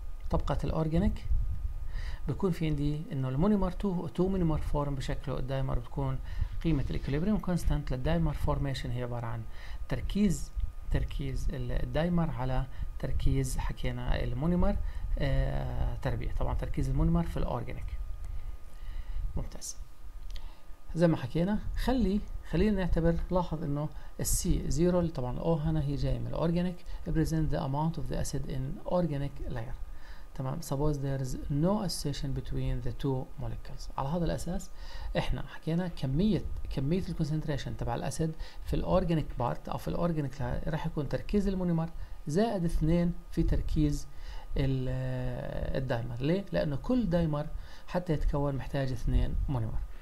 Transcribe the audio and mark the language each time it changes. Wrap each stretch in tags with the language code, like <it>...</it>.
<ar>طبقه الاورجانيك بيكون في عندي انه المونيمر 2 و 2 مونيمر فورم بشكله الدايمر، بتكون قيمة الاكوليبريم كونستانت للدايمر فورميشن هي عبارة عن تركيز الدايمر على تركيز حكينا المونيمر تربيع، طبعا تركيز المونيمر في الاورجانيك. ممتاز، زي ما حكينا خلينا نعتبر، لاحظ انه السي 0 طبعا الاو هنا هي جاي من الاورجانيك، ريبريزنت ذا اماونت اوف ذا اسيد ان اورجانيك لاير.</ar> <en>تمام، suppose there is no association between the two molecules.</en> <ar>على هذا الأساس إحنا حكينا كمية الـ concentration تبع الأسيد في الأورجانيك بارت أو في الأورجانيك راح يكون تركيز المونيمر زائد 2 في تركيز الدايمر. ليه؟ لأنه كل دايمر حتى يتكون محتاج 2 مونيمر.</ar>